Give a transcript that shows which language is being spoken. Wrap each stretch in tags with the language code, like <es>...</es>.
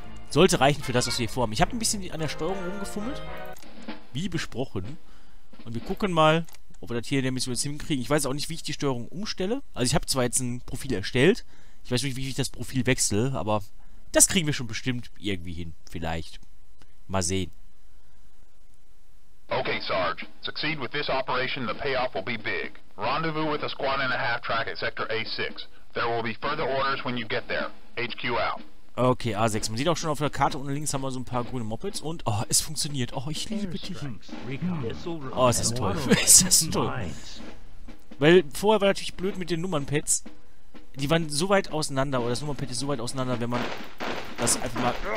<de>Sollte reichen für das, was wir hier vorhaben. Ich habe ein bisschen an der Steuerung rumgefummelt. Wie besprochen. Und wir gucken mal, ob wir das hier in der Mission jetzt hinkriegen. Ich weiß auch nicht, wie ich die Steuerung umstelle. Also ich habe zwar jetzt ein Profil erstellt. Ich weiß nicht, wie ich das Profil wechsle, aber das kriegen wir schon bestimmt irgendwie hin. Vielleicht. Mal sehen.</de> <en>Okay, Sarge. Succeed with this operation, the payoff will be big. Rendezvous with a squad and a half track at Sector A6. There will be further orders when you get there. HQ out. Okay, A6.</en> <de>Man sieht auch schon auf der Karte, unten links haben wir so ein paar grüne Mopeds und... Oh, es funktioniert. Oh, ich liebe dich. Oh, es ist toll. Es ist toll. Weil vorher war natürlich blöd mit den Nummernpads. Die waren so weit auseinander, oder das Nummernpad ist so weit auseinander, wenn man das einfach mal...</de>